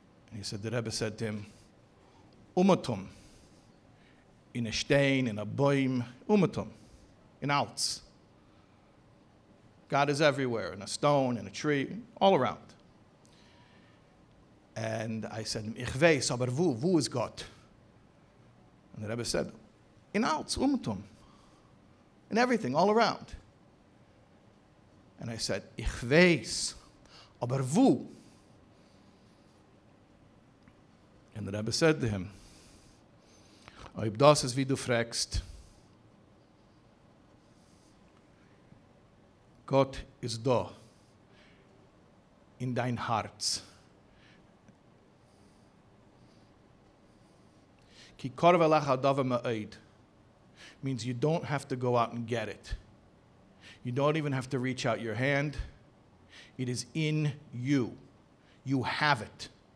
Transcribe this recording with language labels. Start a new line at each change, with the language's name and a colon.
English: And he said, the Rebbe said to him,
Yiddish: umatum, in a stein, in a boim, umatum, in alts.
English: God is everywhere, in a stone, in a tree, all around. And I said,
Yiddish: ich weiß, aber wo is
English: God? And the Rebbe said,
Yiddish: in alts, umatum,
English: in everything, all around. And I said,
Yiddish: ich weiß, aber wo?
English: And the Rebbe said to him,
Yiddish: Ob das ist, wie du fragst, Gott ist da, in dein Herz.
Hebrew: Ki korve lach adava me'ed,
English: means you don't have to go out and get it. You don't even have to reach out your hand. It is in you. You have it.